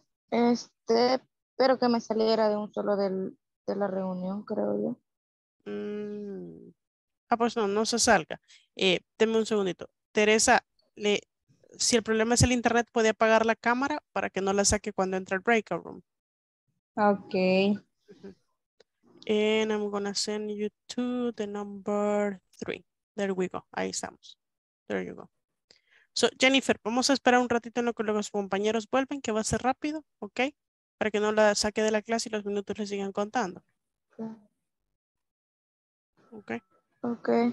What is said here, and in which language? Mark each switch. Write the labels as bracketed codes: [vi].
[es] Este, pero que me saliera de un solo de la reunión, creo yo. Mm. Ah, pues no se salga. Deme un segundito. Teresa, si el problema es el internet, ¿puede apagar la cámara para que no la saque cuando entre el breakout room? Ok. [en] And I'm gonna send you to the number 3. There we go. [es] Ahí estamos. [en] There you go. [es] So, Jennifer, vamos a esperar un ratito en lo que los compañeros vuelven, que va a ser rápido, ¿ok? Para que no la saque de la clase y los minutos le sigan contando. ¿Ok? Ok.